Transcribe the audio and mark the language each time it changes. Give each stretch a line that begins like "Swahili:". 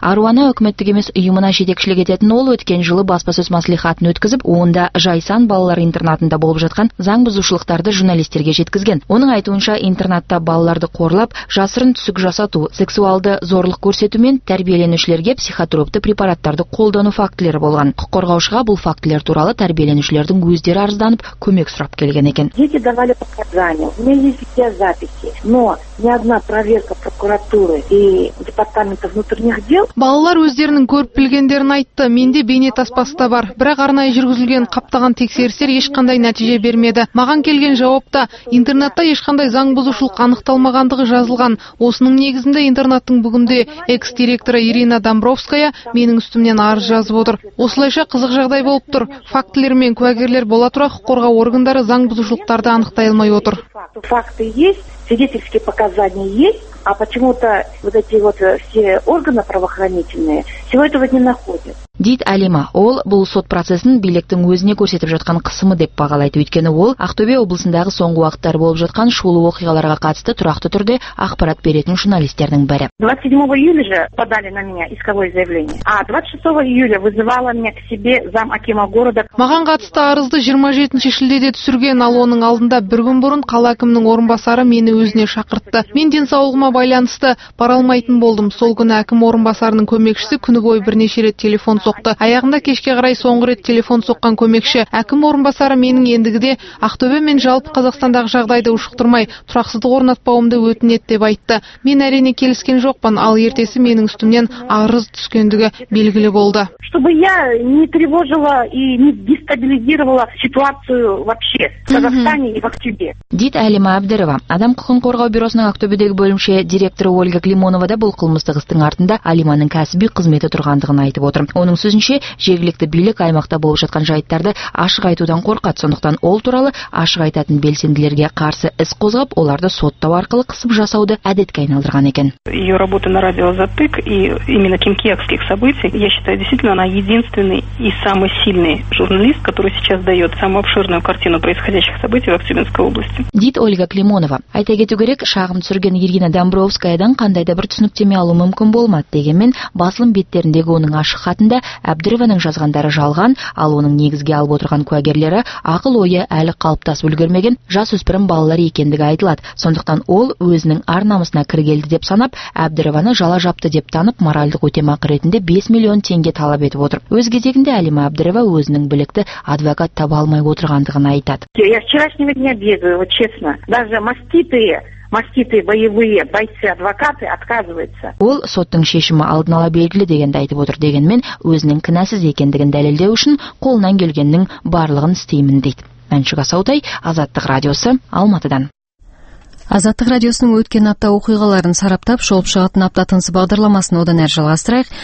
Kazakh: Аруана үкіметтік емес ұйымына жетекшілік ететін ол өткен жылы баспасөз мәслихатын өткізіп, онда Жайсан балалар интернатында болып жатқан заң бұзушылықтарды журналистерге жеткізген. Оның айтуынша, интернатта балаларды қорлап, жасырын түсік жасату, сексуалды зорлық көрсету мен тәрбиеленушілерге психотропты препараттарды қолдану фактілері болған. Құқық қорғаушыға бұл фактілер туралы тәрбиеленушілердің өздері арызданып, көмек сұрап келген екен.
Russian: давали показания, у меня есть видеозаписи, но ни одна проверка прокуратуры и департамента внутренних дел.
Kazakh: Балалар өздерінің көріп білгендерін айтты. Менде бейнетаспасы да бар. Бірақ арнайы жүргізілген қаптаған тексерістер ешқандай нәтиже бермеді. Маған келген жауапта интернатта ешқандай заң бұзушылық анықталмағандығы жазылған. Осының негізінде интернаттың бүгінде экс-директоры Ирина Домбровская менің үстімнен арыз жазып отыр. Осылайша қызық жағдай болып тұр. Фактілер мен куәгерлер бола тұра құқық қорғау органдары заң бұзушылықтарды анықтай алмай отыр.
Russian: Факты есть, свидетельские показания есть. А почему-то вот эти вот все органы правоохранительные всего этого не находят.
Kazakh: Дит Алима, ол бұл сот процесін биліктің өзіне көрсетіп жатқан қысымы деп бағалайды. Өйткені ол Ақтөбе облысындағы соңғы уақыттар болып жатқан шулы оқиғаларға қатысты тұрақты түрде ақпарат беретін журналистердің бірі.
Russian: 27 июля же подали на меня исковое заявление. А 26 июля вызывала меня к себе зам акима города.
Kazakh: Маған қатысты арызды 27 шілдеде түсірген, ал оның алдында бір күн бұрын қала әкімінің орынбасары мені өзіне шақыртты. Мен денсаулығыма байланысты бара алмайтын болдым. Сол күні әкім орынбасарының көмекшісі күні бойы бірнеше рет телефон соқты. Аяғында кешке қарай соңғы рет телефон соққан көмекші. Әкім орынбасары менің ендігіде Ақтөбе мен жалпы Қазақстандағы жағдайды ушықтырмай, тұрақсыздық орнатпауымды өтінеді деп айтты. Мен әрине келіскен жоқпын, ал ертесі менің үстімнен арыз түскендігі белгілі болды.
Russian: Чтобы я не тревожила и не дестабилизировала ситуацию вообще в Казахстане и в Ақтөбе.
Kazakh: Дит Алима Абдырова, Адам құқын қорғау бюросының Ақтөбедегі бөлімше директоры Ольга Климонова да бұл қылмыстық істің артында Алиманың кәсіби қызметі тұрғандығын айтып отыр. Оның сөзінше, жергілікті билік аймақта болып жатқан жайттарды ашық айтудан қорқады, сондықтан ол туралы ашық айтатын белсенділерге қарсы іс қозғап, оларды соттау арқылы қысып жасауды әдетке айналдырған екен.
Russian: Ее работа на радио «Затык» и именно кимкиевских событий, я считаю, действительно, она единственный и самый сильный журналист, который сейчас дает самую обширную картину происходящих событий в Ақтөбенской области.
Kazakh: Дит Ольга Климонова. Айта кету керек, шағым түсірген Ирина Домбровскаядан қандай да бір түсініктеме алу мүмкін болмады. Дегенмен, басылым беттеріндегі оның ашық хатында Абдырованың жазғандары жалған, ал оның негізге алып отырған куәгерлері ақыл ойы әлі қалыптасып үлгермеген жасөспірім балалар екендігі айтылады. Сондықтан ол өзінің ар намысына кіргелді деп санап, Абдырованы жала жапты деп танып, моральдық өтемақы ретінде 5 миллион теңге талап етіп отыр. Өз кезегінде Алима Абдырова өзінің білікті адвокат таба алмай отырғандығын айтады.
Russian: Я вчерашнего дня бегаю, вот честно. Даже маститые боевые бойцы, адвокаты отказываются.
Kazakh: Ол соттың шешімі алдын ала белгілі дегенді айтып отыр. Дегенмен өзінің кінәсіз екендігін дәлелдеу үшін қолынан келгеннің барлығын істеймін дейді. Әнші Қасаутай, Азаттық радиосы, Алматыдан. Азаттық радиосының өткен апта оқиғаларын сараптап, шолып шығатын апта тынысы бағдарламасын одан әрі жалғастырайық.